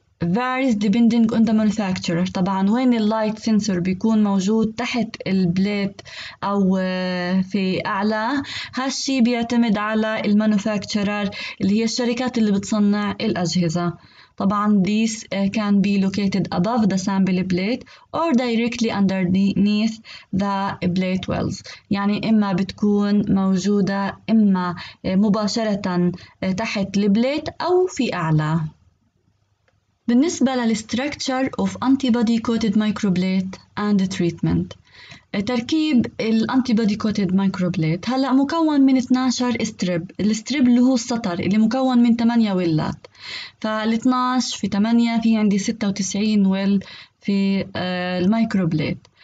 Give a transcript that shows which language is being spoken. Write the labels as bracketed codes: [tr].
[en] varies depending on the manufacturer. [ar] طبعا وين اللايت سنسور بيكون موجود تحت البليت او في اعلى، هالشي بيعتمد على المانوفاكتشرر اللي هي الشركات اللي بتصنع الاجهزة. [en] طبعا this can be located above the sample plate or directly underneath the plate wells، [ar] يعني إما بتكون موجودة إما مباشرة تحت البليت أو في أعلى. بالنسبة لل [en] structure of antibody coated microplate and treatment، [ar] تركيب الانتيبادي كوتيد مايكروبليت هلا مكون من 12 استريب، الاستريب اللي هو السطر اللي مكون من 8 ويلات، فال12 في 8 في عندي 96 ويل في المايكروبليت.